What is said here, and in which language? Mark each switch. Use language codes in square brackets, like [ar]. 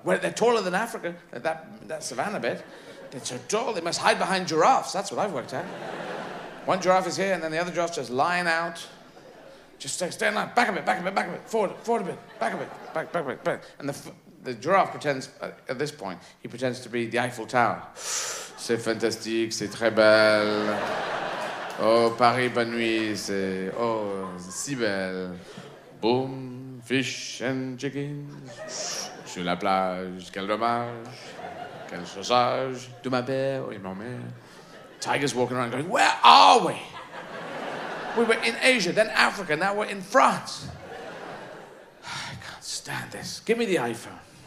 [en] Well, they're taller than Africa, that savannah bit. They're so tall, they must hide behind giraffes. That's what I've worked out. One giraffe is here, and then the other giraffe's just lying out. Just stay in line. Back a bit, back a bit, back a bit. Forward a bit, back a bit, back a bit, back. And the giraffe pretends, at this point, he pretends to be the Eiffel Tower. [fr] C'est fantastique, c'est très belle. Oh, Paris, bonne nuit, c'est... Oh, c'est si belle. Boom. [en] Fish and chickens, [fr] sur la plage, quel dommage, quel sausage, de ma père, oui, ma mère. [en] Tigers walking around going, where are we? We were in Asia, then Africa, now we're in France. I can't stand this. Give me the iPhone.